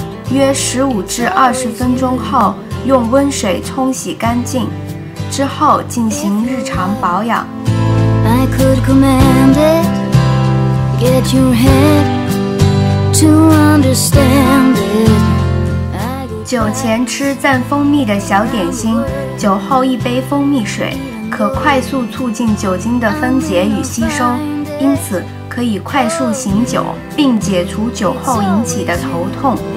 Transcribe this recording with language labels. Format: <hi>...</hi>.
<zh>约15至20分钟后，用温水冲洗干净，之后进行日常保养。</zh> <en>I could command it. Get your head to understand it.</en> <zh>酒前吃蘸蜂蜜的小点心，酒后一杯蜂蜜水，可快速促进酒精的分解与吸收，因此可以快速醒酒，并解除酒后引起的头痛。</zh>